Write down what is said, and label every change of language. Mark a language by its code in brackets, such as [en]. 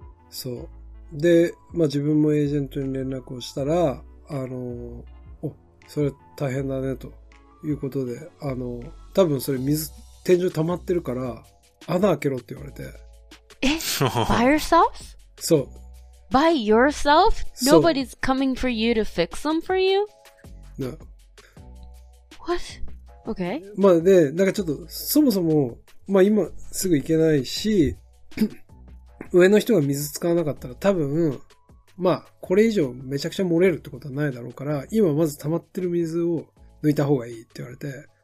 [ja] そう。で、まあ、自分もエージェントに連絡をしたら、お、それ大変だね、ということで、多分それ水、天井溜まってるから、穴開けろって言われて。 [en] え?by yourself? [ja] そう。 [en] By yourself? Nobody's coming for you to fix them for you? No. What? Okay. [ja] まあで、なんかちょっと、そもそも、まあ今すぐ行けないし、上の人が水使わなかったら多分、まあこれ以上めちゃくちゃ漏れるってことはないだろうから、今まず溜まってる水を抜いた方がいいって言われて、